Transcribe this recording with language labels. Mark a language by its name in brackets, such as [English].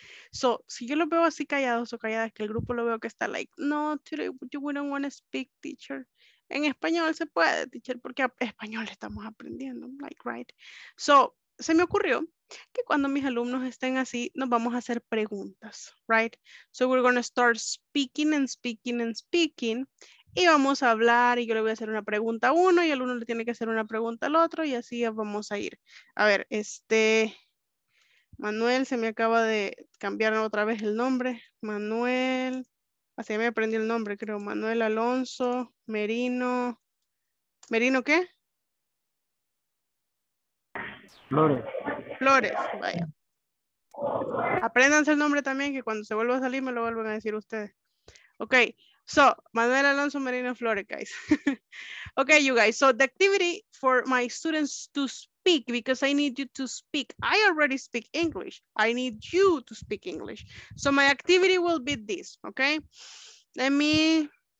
[Spanish] So, si yo los veo así callados o calladas, que el grupo lo veo que está like, no, [English] today we don't want to speak, [Spanish] teacher. En español se puede, teacher, porque español estamos aprendiendo, like, right. So, se me ocurrió que cuando mis alumnos estén así, nos vamos a hacer preguntas, right. [English] So, we're going to start speaking and speaking and speaking. [Spanish] Y vamos a hablar y yo le voy a hacer una pregunta a uno y el uno le tiene que hacer una pregunta al otro y así vamos a ir. A ver, este, Manuel se me acaba de cambiar otra vez el nombre. Manuel, así me aprendí el nombre, creo. Manuel Alonso, Merino, ¿Merino qué? Flores. Flores, vaya. Apréndanse el nombre también, que cuando se vuelva a salir me lo vuelven a decir ustedes. [English] Ok. So, Manuel Alonso Merino Flores, guys. Okay, you guys. So, the activity for my students to speak, because I need you to speak. I already speak English. I need you to speak English. So, my activity will be this, okay? Let me...